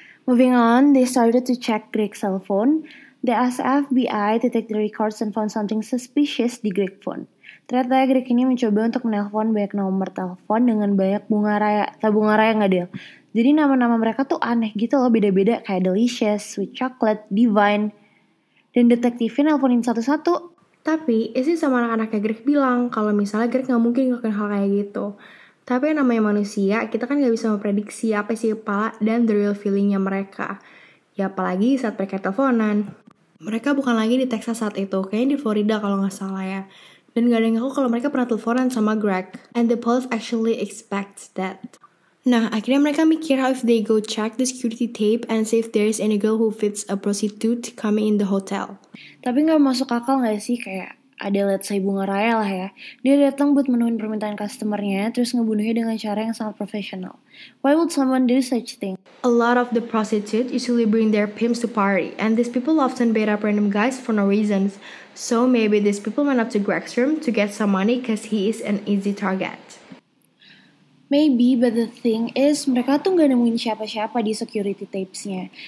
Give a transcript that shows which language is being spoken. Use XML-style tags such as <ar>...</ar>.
<en>Moving on, they started to check Greg's cell phone. They asked FBI to take the records and found something suspicious di Greg's phone.</en> <id>Ternyata Greg ini mencoba untuk menelpon banyak nomor telepon dengan banyak bunga raya, tabunga raya nggak deal. Jadi nama-nama mereka tuh aneh gitu loh, beda-beda kayak Delicious, Sweet Chocolate, Divine. Dan detektifnya nelponin satu-satu. Tapi isi sama anak-anaknya Greg bilang kalau misalnya Greg nggak mungkin ngelakuin hal kayak gitu. Tapi yang namanya manusia, kita kan nggak bisa memprediksi apa sih kepala dan the real feelingnya mereka. Ya apalagi saat mereka teleponan. Mereka bukan lagi di Texas saat itu, kayaknya di Florida kalau nggak salah ya. Dan gak ada yang ngaku kalau mereka pernah teleponan sama Greg.</id> <en>And the police actually expect that.</en> <id>Nah, akhirnya mereka mikir</id> <en>how if they go check the security tape and see if there is any girl who fits a prostitute coming in the hotel.</en> <id>Tapi gak masuk akal gak sih kayak ada</id> <en>let's say</en> <id>bunga raya lah ya. Dia datang buat menuhin permintaan customernya, terus ngebunuhnya dengan cara yang sangat profesional.</id> <en>Why would someone do such thing? A lot of the prostitutes usually bring their pimps to party, and these people often bait up random guys for no reasons. So maybe these people went up to Greg's room to get some money because he is an easy target. Maybe, but the thing is,</en> <id>mereka tuh gak nemuin siapa-siapa di</id> <en>security tapes-nya.</en>